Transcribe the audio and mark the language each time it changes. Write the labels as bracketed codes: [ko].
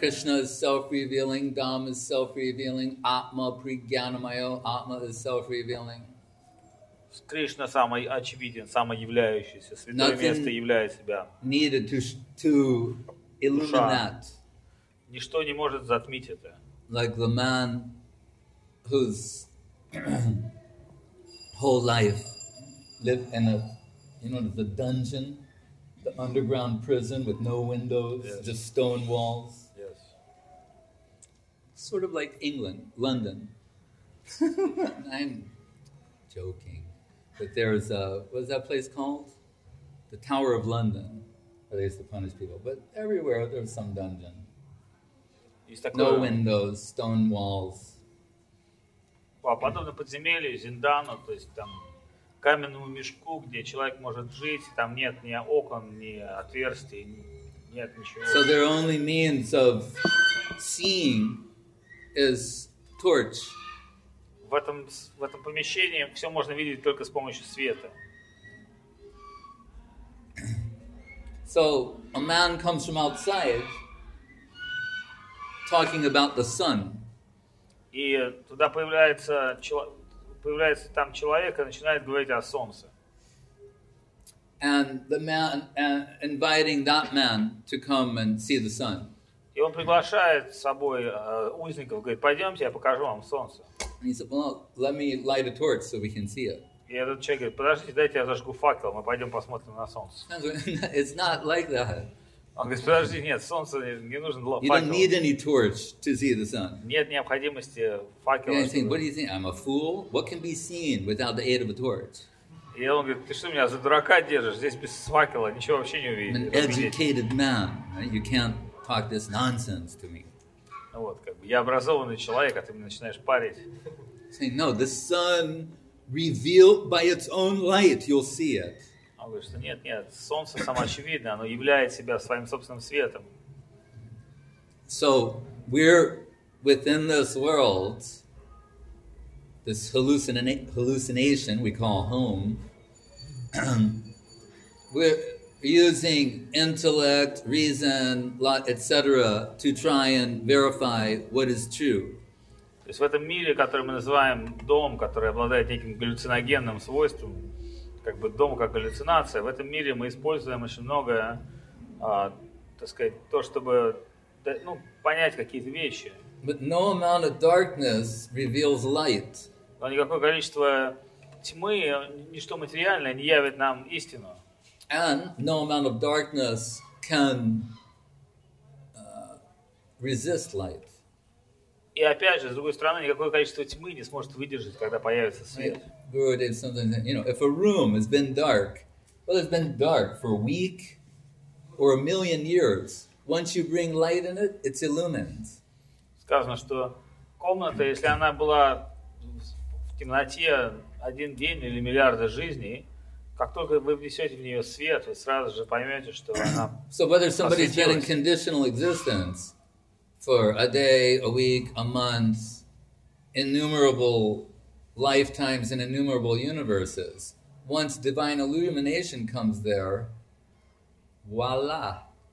[en] Krishna is self-revealing, Dham is self-revealing, Atma, Prajnamaya, Atma is self-revealing. [ru] Кришна самый очевиден, самый являющийся. Святое место являет себя. [en] Needed to illuminate. [ru] Ничто не может затмить это. [en] Like the man whose whole life lived in a, you know, the dungeon, the underground prison with no windows, yes. Just stone walls. Yes. Sort of like England, London. I'm joking. But there's a, what is that place called? The Tower of London, where they used to punish people. But everywhere there's some dungeon. No windows, stone walls. [ru] А подобно подземелью, зиндану, то есть там каменному мешку, где человек может жить, там нет ни окон, ни отверстий, нет ничего. [en] So their only means of seeing is torch. [ru] В этом помещении все можно видеть только с помощью света. [en] So a man comes from outside. Talking about the sun. [ru] И туда появляется там человек и начинает говорить о солнце. [en] And the man inviting that man to come and see the sun. [ru] И он приглашает с собой узников, говорит, пойдемте, я покажу вам солнце. [en] And he said, well, let me light a torch so we can see it. [ru] И этот человек говорит, подождите, дайте я зажгу факел, мы пойдем посмотрим на солнце. [en] It's not like that. [ru] Он говорит, подожди, нет, солнце не нужен. [en] You don't need any torch to see the sun. [ru] Нет необходимости факела. [en] Yeah, what do you think? I'm a fool? What can be seen without the aid of a torch? [ru] И он говорит, ты что меня за дурака держишь? Здесь без факела ничего вообще не увидишь. [en] An educated man, right? You can't talk this nonsense to me. [ru] Ну вот, как бы, я образованный человек, а ты мне начинаешь парить. [en] Saying, no, the sun revealed by its own light, you'll see it. [ru] Он говорит, что нет, нет, солнце самоочевидно, оно являет себя своим собственным светом. [en] So, we're within this world, this hallucination we call home, we're using intellect, reason, etc. to try and verify what is true. [ru] То есть в этом мире, который мы называем дом, который обладает неким галлюциногенным свойством, как бы дом как галлюцинация. В этом мире мы используем очень многое, так сказать, то, чтобы ну, понять какие-то вещи. [en] But no amount of darkness reveals light. [ru] Но никакое количество тьмы, ничто материальное не явит нам истину. [en] And no amount of darkness can resist light. [ru] И опять же, с другой стороны, никакое количество тьмы не сможет выдержать, когда появится свет. [en] Guru Dev sometimes, you know, if a room has been dark, well, it's been dark for a week or a million years. Once you bring light in it, it's illumined. [ru] Сказано, что комната, если она была в темноте один день или миллиарды жизней, как только вы внесете в нее свет, вы сразу же поймете, что она осветилась. [en] So whether somebody's been in conditional existence for a day, a week, a month, innumerable lifetimes and innumerable universes, once divine illumination comes there, voila.